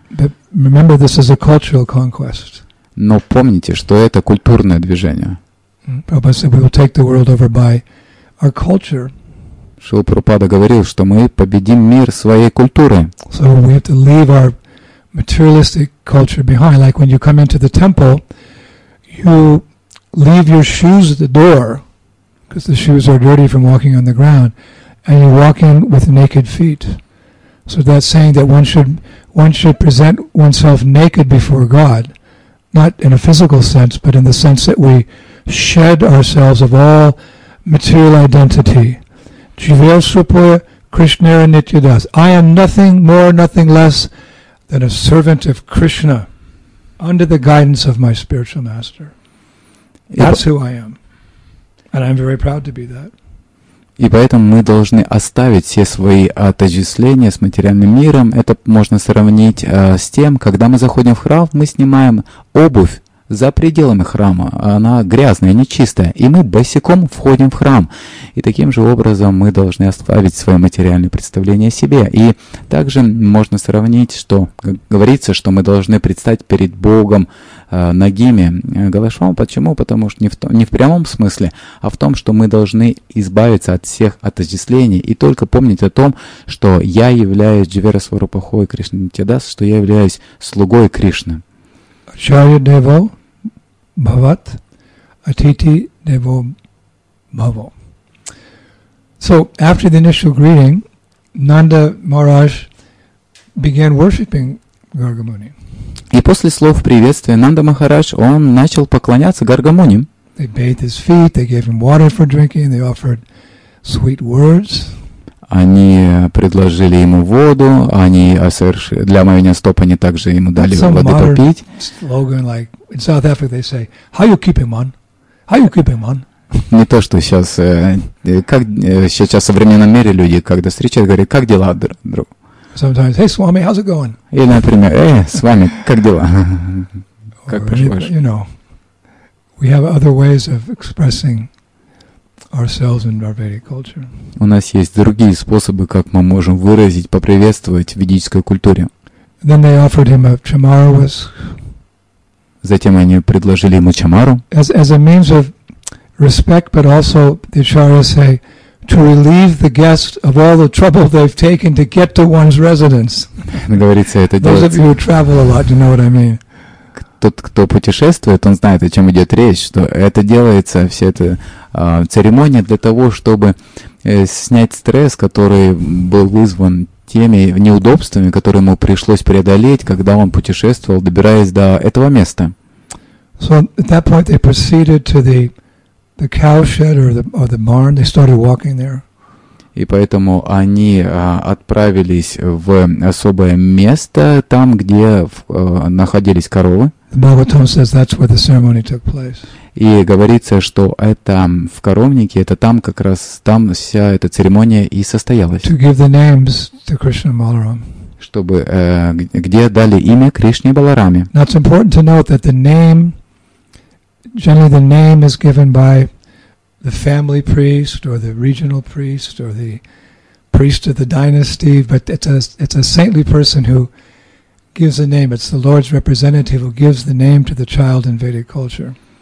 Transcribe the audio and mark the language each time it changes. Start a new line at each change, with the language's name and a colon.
English: But remember, this is a cultural conquest.
Russian: Но помните, что это культурное движение.
English: Prabhupada said, we will take the world over by our culture.
Russian: Шрила Прабхупада говорил, что мы победим мир своей культурой.
English: So we have to leave our materialistic culture behind. Like when you come into the temple, you leave your shoes at the door, because the shoes are dirty from walking on the ground, and you walk in with naked feet. So that's saying that one should present oneself naked before God, not in a physical sense, but in the sense that we shed ourselves of all material identity.
Bangla: Jivya Supaya Krishna Nityadas.
English: I am nothing more, nothing less than a servant of Krishna under the guidance of my spiritual master. That's who I am. And I'm very proud to be that.
Russian: И поэтому мы должны оставить все свои отождествления с материальным миром. Это можно сравнить с тем, когда мы заходим в храм, мы снимаем обувь за пределами храма. Она грязная, нечистая. И мы босиком входим в храм. И таким же образом мы должны оставить свое материальное представление о себе. И также можно сравнить, что говорится, что мы должны предстать перед Богом нагими. Галашом, почему? Потому что не в прямом смысле, а в том, что мы должны избавиться от всех отождествлений и только помнить о том, что я являюсь
Bangla: Дживера Сварупахой Кришна Нитидас,
Russian: что я являюсь слугой Кришны.
Sanskrit: Ачарья Дево Бхават Атити Дево Бхаво.
English: So, after the initial greeting, Nanda Maharaj began worshipping Гаргамуни.
Russian: И после слов приветствия Нанда Махарадж, он начал поклоняться Гаргамуни.
English: They bathed his feet, they gave him water for drinking, they offered sweet words.
Russian: Они предложили ему воду, они совершили, для омовения стоп они также ему дали
English: some
Russian: воды попить.
English: Slogan, like in South Africa they say, how you keep him on? How you keep him on?
Russian: Не то, что сейчас, как сейчас в современном мире люди, когда встречают, говорят, как дела, друг?
English: Sometimes, hey Swami, how's it going?
Russian: И, например, эй, Свами, как дела? Как поживаешь?
English: You know, we have other ways of expressing ourselves in our Vedic culture.
Russian: У нас есть другие способы, как мы можем выразить, поприветствовать в ведической культуре.
English: Then they offered him a chamara whisk.
Russian: Затем они предложили ему чамару.
English: As a means of respect, but also the acharyas say, to relieve the guest of all the trouble they've taken to get to one's residence.
Russian: Говорится, это делается.
English: Those of you who travel a lot, you know what I mean.
Russian: Тот, кто путешествует, он знает, о чем идет речь, что это делается, вся эта церемония для того, чтобы снять стресс, который был вызван теми неудобствами, которые ему пришлось преодолеть, когда он путешествовал, добираясь до этого места.
English: So at that point they proceeded to the cowshed or the barn. They started walking there.
Russian: И поэтому они отправились в особое место там, где находились коровы.
English: The Bhagavatam says that's where the ceremony took place.
Russian: И говорится, что это в коровнике, это там как раз там вся эта церемония и состоялась.
English: To give the names to Krishna Balaram.
Russian: Чтобы где дали имя Кришне Баларами.
English: Now it's important to note that the name. Generally, the name is given by the family priest or the regional priest or the priest of the dynasty, but it's a saintly person who gives the name. It's the Lord's representative who gives the name to the child in Vedic culture.